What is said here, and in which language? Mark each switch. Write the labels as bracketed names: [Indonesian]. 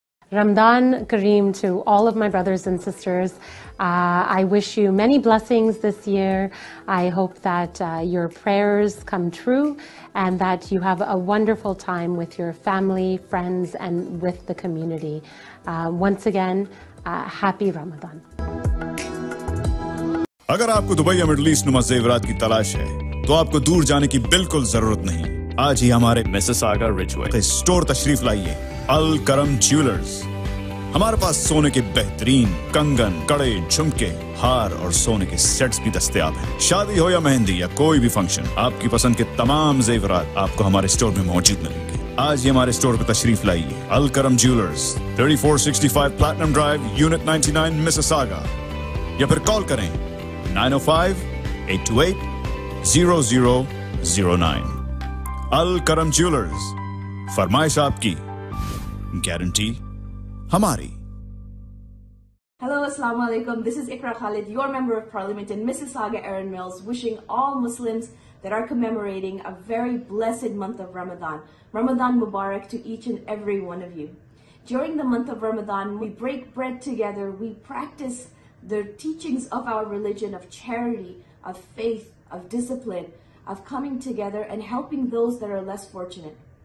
[English] Ramadan Kareem to all of my brothers and sisters. I wish you many blessings this year. I hope that your prayers come true and that you have a wonderful time with your family, friends, and with the community. Once again, happy Ramadan. [Hindi] अगर आपको Dubai या middle east नुमा ज़ेवरात की तलाश है तो आपको दूर जाने की बिल्कुल जरूरत नहीं आज ही हमारे मिसिसागा रिचवे के स्टोर तशरीफ लाइए अल करम ज्वेलर्स हमारे पास सोने के बेहतरीन कंगन कड़े झुमके हार और सोने के सेट्स भी दस्तयाब हैं। शादी हो या मेहंदी या कोई भी फंक्शन आपकी पसंद के तमाम जेवरात आपको हमारे स्टोर में मौजूद मिलेंगे आज ही हमारे स्टोर पर तशरीफ लाइए अल करम jewellers 3465 platinum drive unit 99 Mississauga या फिर कॉल करें 905-828-0009 अल करम ज्वेलर्स फरमाइश आपकी guarantee Hamari. [English] Hello, Assalamu Alaikum. This is Ikra Khalid, your member of parliament in Mississauga, Erin Mills, wishing all Muslims that are commemorating a very blessed month of Ramadan. Ramadan Mubarak to each and every one of you. During the month of Ramadan, we break bread together, we practice the teachings of our religion of charity, of faith, of discipline, of coming together and helping those that are less fortunate.